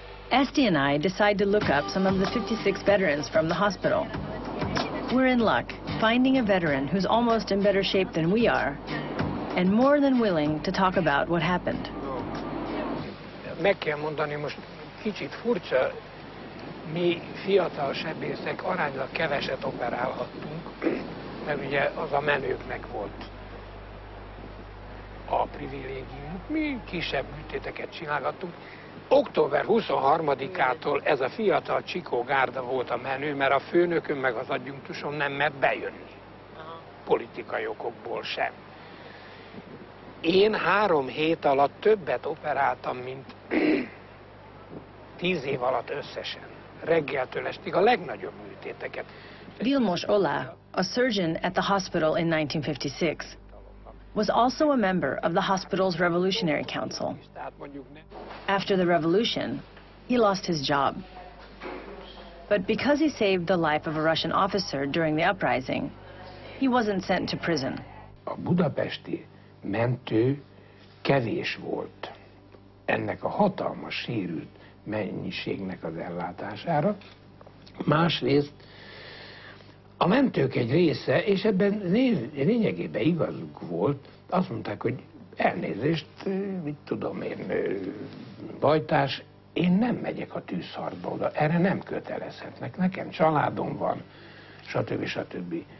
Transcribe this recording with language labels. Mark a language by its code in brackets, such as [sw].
[en] Esti and I decide to look up some of the 56 veterans from the hospital. We're in luck, finding a veteran who's almost in better shape than we are, and more than willing to talk about what happened. [hu] Meg kell mondani, most kicsit furcsa, mi fiatal sebészek aránylag keveset operálhattunk, mert ugye az a menőknek volt a privilégium. Mi kisebb műtéteket csinálhattunk. Október 23-ától ez a fiatal Csikó gárda volt a menő, mert a főnökön meg az adjunktuson nem mert bejönni. Politikai okokból sem. Én 3 hét alatt többet operáltam, mint 10 év alatt összesen. Reggeltől estig a legnagyobb műtéteket. [en] Vilmos Olá, a surgeon at the hospital in 1956. Was also a member of the hospital's Revolutionary Council. After the revolution, he lost his job. But because he saved the life of a Russian officer during the uprising, he wasn't sent to prison. [hu] A budapesti mentő kevés volt ennek a hatalmas sérült mennyiségnek az ellátására. Másrészt a mentők egy része, és ebben lényegében igazuk volt, azt mondták, hogy elnézést, mit tudom én, bajtás, én nem megyek a tűzharcba oda, erre nem kötelezhetnek, nekem családom van, stb. Stb.